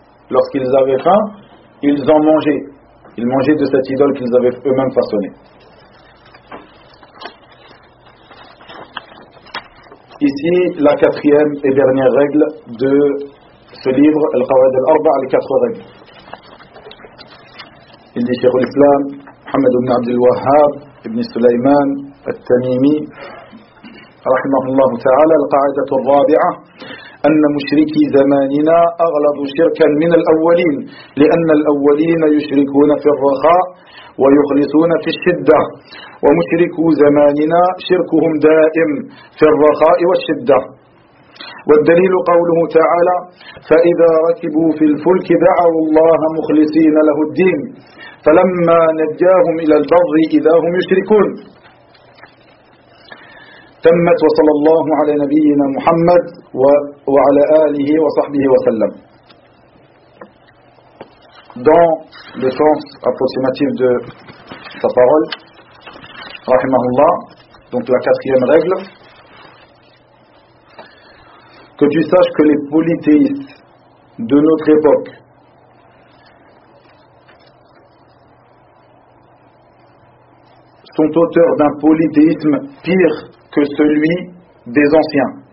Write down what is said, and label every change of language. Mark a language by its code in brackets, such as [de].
[fr] Lorsqu'ils avaient faim, ils en mangeaient. Ils mangeaient de cette idole qu'ils avaient eux-mêmes façonnée. Ici, la quatrième et dernière règle de ce livre, Al-Qawaid al-Arba, les quatre règles. [ar] Il dit Cheikh al-Islam, Mohamed ibn Abdel Wahhab, Ibn Sulayman, Al-Tamimi, Rahimahullah ta'ala, Al-Qawaid al-Rabi'a, أن مشركي زماننا أغلب شركا من الأولين لأن الأولين يشركون في الرخاء ويخلصون في الشدة ومشركو زماننا شركهم دائم في الرخاء والشدة والدليل قوله تعالى فإذا ركبوا في الفلك دعوا الله مخلصين له الدين فلما نجاهم إلى البر إذا هم يشركون تمت وصلى الله على نبينا محمد وعلى آله وصحبه وسلم. [fr] Dans le sens approximatif de sa parole, rahimahullah, donc la quatrième règle, que tu saches que les polythéistes de notre époque sont auteurs d'un polythéisme pire que celui des anciens.